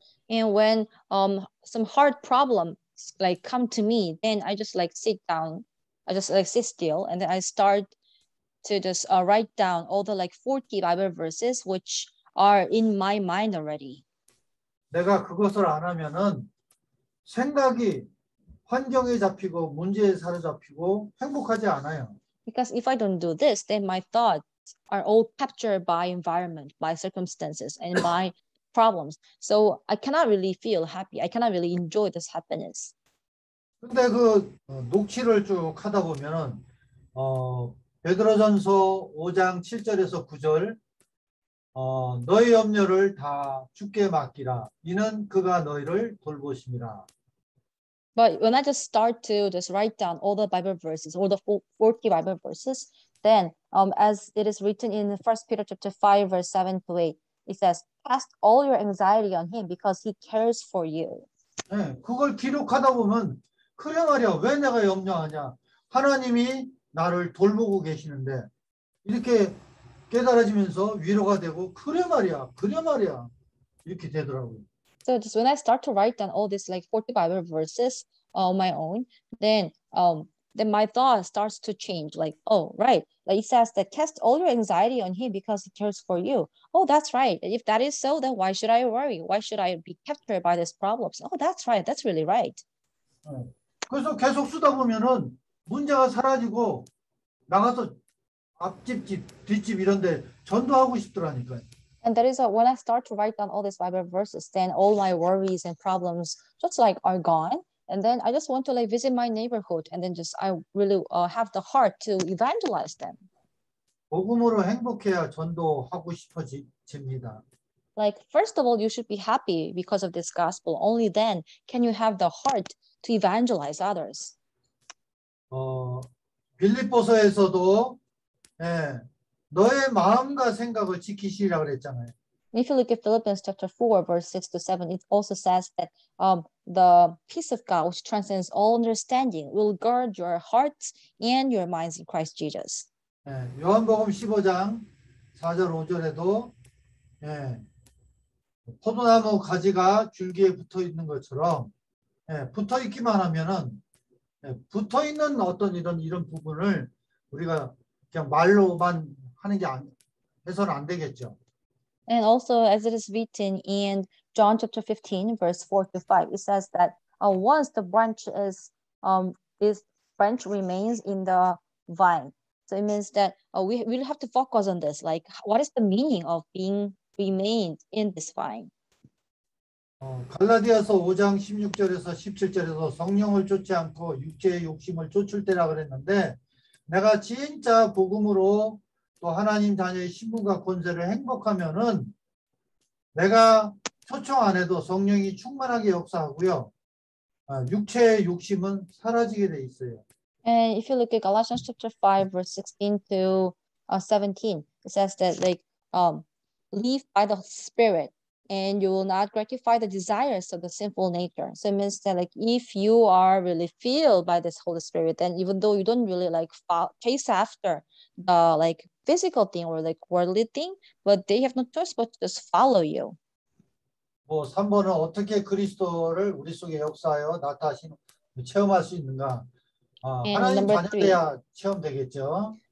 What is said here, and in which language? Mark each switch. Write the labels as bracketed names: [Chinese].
[English] And when some hard problems like come to me, then I just like sit down, I just like sit still, and then I start to just write down all the like 40 Bible verses which are in my mind already. [Korean] 내가 그것을 안 하면은 생각이 환경에 잡히고 문제에 사로잡히고 행복하지 않아요. [English] Because if I don't do this, then my thought are all captured by environment, by circumstances, and by problems. So I cannot really feel happy. I cannot really enjoy this happiness. [Korean] 근데 그 녹취를 쭉 하다 보면은 베드로전서 5장 7절에서 9절. 너희 염려를 다 주께 맡기라. 이는 그가 너희를 돌보심이라. [English] But when I just start to just write down all the Bible verses, all the 40 Bible verses, then as it is written in 1 Peter chapter 5, verse 7 to 8, it says, cast all your anxiety on him because he cares for you. [Korean] 네, 그걸 기록하다 보면 그래 말이야. 왜 내가 염려하냐? 하나님이 나를 돌보고 계시는데 이렇게 깨달아지면서 위로가 되고 그래 말이야. 그래 말이야. 이렇게 되더라고요. [English] So just when I start to write down all these like 40 Bible verses on my own, then my thought starts to change. Like, oh, right. Like it says that cast all your anxiety on him because he cares for you. Oh, that's right. If that is so, then why should I worry? Why should I be captured by these problems? Oh, that's right. That's really right. [Korean] 그래서 계속 쓰다 보면은 문제가 사라지고 나가서 앞집, 집, 뒷집 이런 데 전도하고 싶더라니까요. [English] And that is when I start to write down all these Bible verses, then all my worries and problems just like are gone. And then I just want to like visit my neighborhood, and then just I really have the heart to evangelize them. [Korean] 복음으로 행복해야 전도하고 싶어집니다. [English] Like first of all, you should be happy because of this gospel. Only then can you have the heart to evangelize others. [Korean] 빌립보서에서도 예. 너의 마음과 생각을 지키시라 그랬잖아요. [English] If you look at Philippians chapter 4 verse 6 to 7, it also says that the peace of God which transcends all understanding will guard your hearts and your minds in Christ Jesus. [Korean] 예, 요한복음 15장 4절 5절에도 예. 포도나무 가지가 줄기에 붙어 있는 것처럼 예, 붙어 있기만 하면은 예, 붙어 있는 어떤 이런 부분을 우리가 그냥 말로만 하는 게 해서는 안 되겠죠. [English] And also, as it is written in John chapter 15, verse 4 to 5, it says that once the branch is this branch remains in the vine. So it means that we will have to focus on this. Like, what is the meaning of being remained in this vine? [Korean] 갈라디아서 5장 16절에서 17절에서 성령을 쫓지 않고 육체의 욕심을 쫓을 때라 그랬는데. 내가 진짜 복음으로 또 하나님 자녀의 신분과 권세를 행복하면은 내가 초청 안 해도 성령이 충만하게 역사하고요. 육체의 욕심은 사라지게 돼 있어요. [English] And if you look at Galatians chapter 5 verse 16 to 17, it says that like live by the Spirit and you will not gratify the desires of the sinful nature. So it means that like if you are really filled by this Holy Spirit, then even though you don't really like chase after the like physical thing or like worldly thing, but they have no choice but to just follow you. [Korean] 뭐 3번은 어떻게 그리스도를 우리 속에 역사하여 나타나시는 체험할 수 있는가? 하나님 자녀야 체험되겠죠.